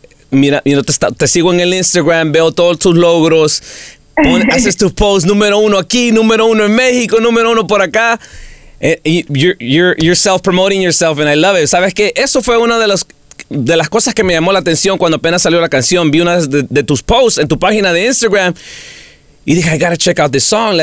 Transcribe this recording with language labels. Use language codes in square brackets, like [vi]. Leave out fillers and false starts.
[es] Mira, te sigo en el Instagram, veo todos tus logros. Haces tus posts, número uno aquí, número uno en México, número uno por acá. [en] You're self-promoting yourself, and I love it. [es] Sabes que eso fue una de las cosas que me llamó la atención cuando apenas salió la canción. Vi una de tus posts en tu página de Instagram y dije, [en] I gotta check out this song.